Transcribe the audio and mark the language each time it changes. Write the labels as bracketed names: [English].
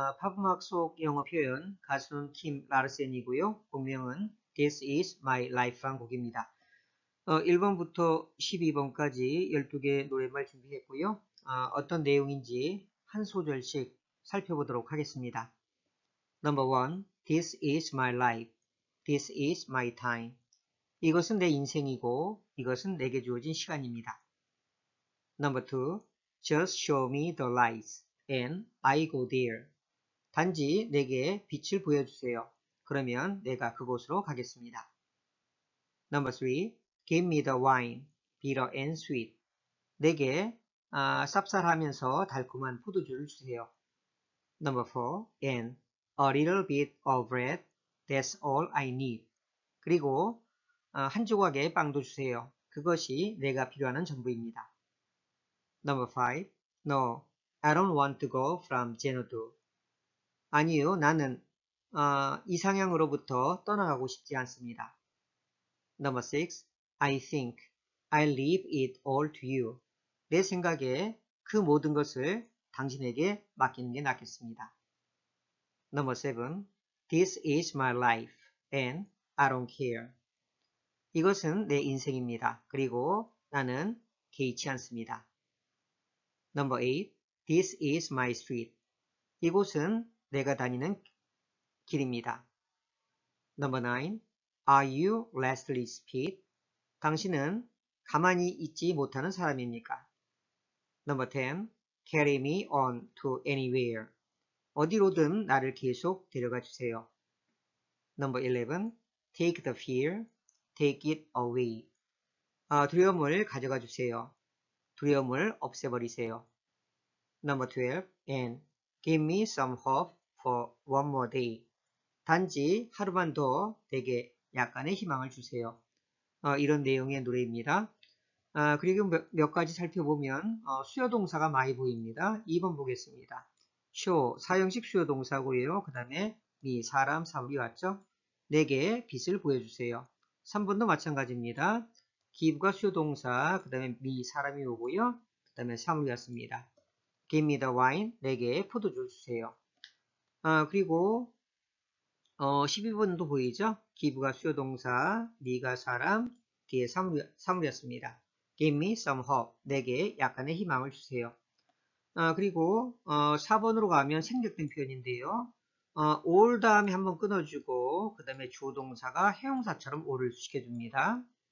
[Korean] 팝음악 속 영어 표현, 가수는 킴 라르센이고요. 곡명은 This is my life란 곡입니다. 1번부터 12번까지 12개 노랫말 준비했고요. 어떤 내용인지 한 소절씩 살펴보도록 하겠습니다. [English] Number 1. This is my life. This is my time. [Korean] 이것은 내 인생이고 이것은 내게 주어진 시간입니다. [English] Number 2. Just show me the lights. And I go there. [Korean] 단지 내게 빛을 보여주세요. 그러면 내가 그곳으로 가겠습니다. [English] Number 3. Give me the wine, bitter and sweet. [Korean] 내게 쌉쌀하면서 달콤한 포도주를 주세요. [English] Number 4. And a little bit of bread, that's all I need. [Korean] 그리고 한 조각의 빵도 주세요. 그것이 내가 필요하는 전부입니다. [English] Number 5. No. I don't want to go from Xanadu. [Korean] 아니요, 나는 이상향으로부터 떠나가고 싶지 않습니다. [English] Number 6. I think I'll leave it all to you. [Korean] 내 생각에 그 모든 것을 당신에게 맡기는 게 낫겠습니다. [English] Number 7. This is my life and I don't care. [Korean] 이것은 내 인생입니다. 그리고 나는 개의치 않습니다. [English] Number 8. This is my street. [Korean] 이곳은 내가 다니는 길입니다. [English] Number 9. Are you restless, Pete? [Korean] 당신은 가만히 있지 못하는 사람입니까? [English] Number 10. Carry me on to anywhere. [Korean] 어디로든 나를 계속 데려가 주세요. [English] Number 11. Take the fear. Take it away. [Korean] 두려움을 가져가 주세요. 두려움을 없애버리세요. [English] Number 12. And give me some hope for one more day. [Korean] 단지 하루만 더 내게 약간의 희망을 주세요. 이런 내용의 노래입니다. 그리고 몇 가지 살펴보면 수여 동사가 많이 보입니다. 2번 보겠습니다. show 사형식 수여 동사고요. 그 다음에 me 사람 사물이 왔죠. 내게 빛을 보여주세요. 3번도 마찬가지입니다. give가 수여 동사, 그 다음에 me 사람이 오고요. 그 다음에 사물이 왔습니다. [English] Give me the wine, [Korean] 내게 포도주 주세요. 그리고 12번도 보이죠? Give가 수요동사, 네가 사람, 뒤에 사물이었습니다. [English] Give me some hope, [Korean] 내게 약간의 희망을 주세요. 그리고 4번으로 가면 생략된 표현인데요. all 다음에 한번 끊어주고, 그 다음에 주어동사가 형용사처럼 all을 시켜줍니다.